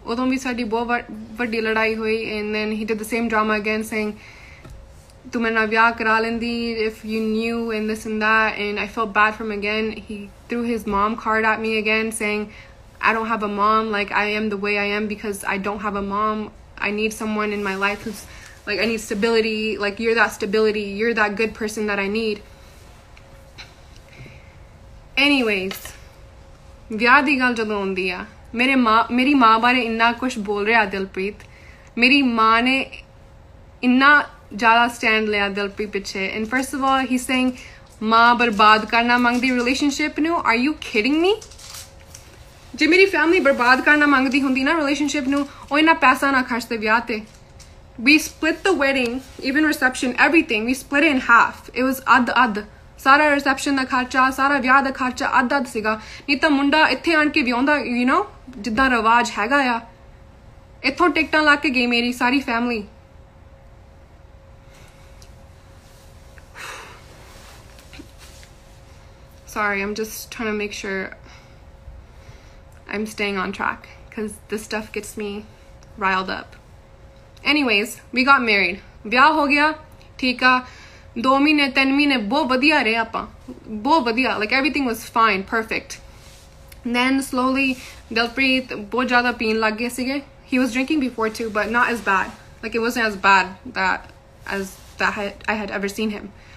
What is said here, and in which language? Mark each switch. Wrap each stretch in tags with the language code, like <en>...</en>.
<pa>Odon vi sadi bohot vaddi ladai hoi</pa> <en>and then he did the same drama again saying</en> <pa>tu mera vyah kara lendi</pa> <en>if you knew and this and that, and I felt bad for him again. He threw his mom card at me again saying I don't have a mom, like I am the way I am because I don't have a mom. I need someone in my life who's like, I need stability. Like, you're that stability. You're that good person that I need.</en> <pa>Anyways, ਵਿਆਹ ਦੀ ਗੱਲ ਜਦੋਂ ਆਉਂਦੀ ਆ, ਮੇਰੇ ਮਾਂ ਮੇਰੀ ਮਾਂ ਬਾਰੇ ਇੰਨਾ ਕੁਛ ਬੋਲ ਰਿਹਾ ਦਿਲਪ੍ਰੀਤ, ਮੇਰੀ ਮਾਂ ਨੇ ਇੰਨਾ ਜ਼ਿਆਦਾ ਸਟੈਂਡ ਲਿਆ ਦਿਲਪ੍ਰੀਤ ਪਿੱਛੇ.</pa> <en>and first of all he saying</en> <pa>ਮਾਂ ਬਰਬਾਦ ਕਰਨਾ ਮੰਗਦੀ ਰਿਲੇਸ਼ਨਸ਼ਿਪ ਨੂੰ,</pa> <en>Are you kidding me?</en> <pa>ਜੇ ਮੇਰੀ ਫੈਮਲੀ ਬਰਬਾਦ ਕਰਨਾ ਮੰਗਦੀ ਹੁੰਦੀ ਨਾ ਰਿਲੇਸ਼ਨਸ਼ਿਪ ਨੂੰ, ਉਹ ਇੰਨਾ ਪੈਸਾ ਨਾ ਖਰਚਦੇ ਵਿਆਹ 'ਤੇ.</pa> <en>We split the wedding, even reception, everything, we split in half. It was</en> <pa>ਅੱਧ ਅੱਧ, ਸਾਰਾ ਰਿਸੈਪਸ਼ਨ ਦਾ ਖਰਚਾ, ਸਾਰਾ ਵਿਆਹ ਦਾ ਖਰਚਾ ਅੱਧ ਅੱਧ ਸੀਗਾ। ਨਹੀਂ ਤਾਂ ਮੁੰਡਾ ਇੱਥੇ ਆਣ ਕੇ ਵਿਆਹੁੰਦਾ, ਯੂ ਨੋ ਜਿੱਦਾਂ ਰਿਵਾਜ ਹੈਗਾ ਆ, ਇੱਥੋਂ ਟਿਕਟਾਂ ਲੱਗ ਕੇ ਗਈ ਮੇਰੀ ਸਾਰੀ family.</pa> <en>Sorry, I'm just trying to make sure I'm staying on track because this stuff gets me riled up. Anyways, we got married.</en> <pa>ਵਿਆਹ ਹੋ ਗਿਆ, ਠੀਕ ਆ। 2 ਮਹੀਨੇ 3 ਮਹੀਨੇ ਬਹੁਤ ਵਧੀਆ ਰਹੇ ਆਪਾਂ, ਬਹੁਤ ਵਧੀਆ,</pa> <en>Like everything was fine, perfect.</en> <pa>Then slowly Dilpreet ਬਹੁਤ ਜ਼ਿਆਦਾ ਪੀਣ ਲੱਗ ਗਏ ਸੀਗੇ।</pa> <en>He was drinking before too, but not as bad, like it wasn't as bad that as that I had ever seen him.</en>